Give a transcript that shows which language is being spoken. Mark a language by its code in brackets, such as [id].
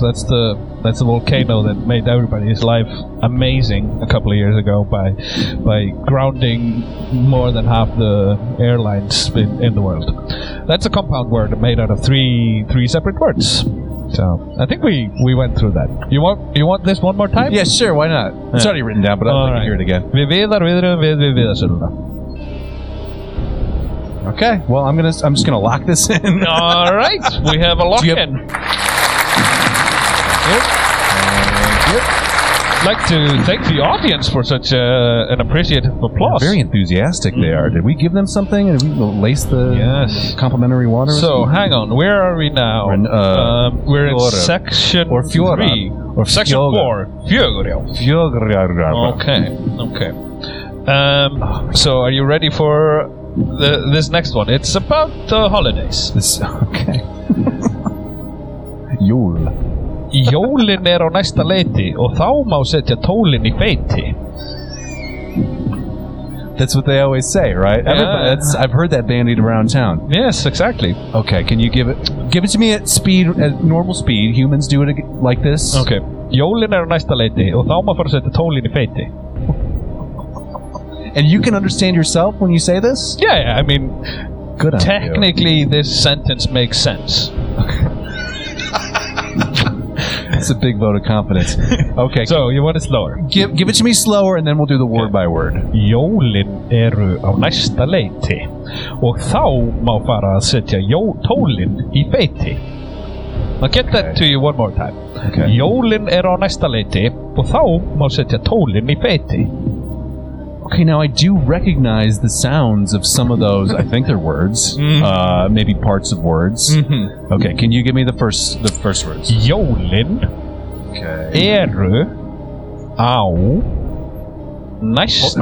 [en] That's the volcano that made everybody's life amazing a couple of years ago by grounding more than half the airlines in the world. That's a compound word made out of three separate words. So I think we went through that. You want this one more time? Yeah, sure, why not? It's already written down, but I'd like to hear it again. [is] Viðar viðrum við viðarsöluna. [en] Okay. Well, I'm just gonna lock this in. All right. We have a lock in. Thank you. Like to thank the audience for such an appreciative applause. Yeah, very enthusiastic they are. Did we give them something? Did we lace the complimentary water? So, hang on. Where are we now? We're in section or three. Or section four. [is] Fjögurjárvá. [en] Okay. Okay. So, are you ready for this next one? It's about the holidays. Okay. Jól. [is] Jólin á næsta leiti og þá má setja tólin í beiti. [en] That's what they always say, right? Yeah. I've heard that bandied around town. Yes, exactly. Okay, can you give it to me at speed, at normal speed? Humans do it like this. Okay. [is] Jólin á næsta leiti og þá má setja tólin í beiti. [en] And you can understand yourself when you say this? Yeah, I mean, good. Technically, this sentence makes sense. That's a big vote of confidence. Okay. So, you want it slower? Give it to me slower, and then we'll do the word by word. [is] Jólin eru á næsta leiti, og þá má fara að setja tólin í beiti. [en] I'll get that to you one more time. Okay. [is] Jólin eru á næsta leiti, og þá má setja tólin í beiti. [en] Okay, now I do recognize the sounds of some of those. I think they're words, maybe parts of words. Mm-hmm. Okay, can you give me the first words? [is] Jólin eru á næsta.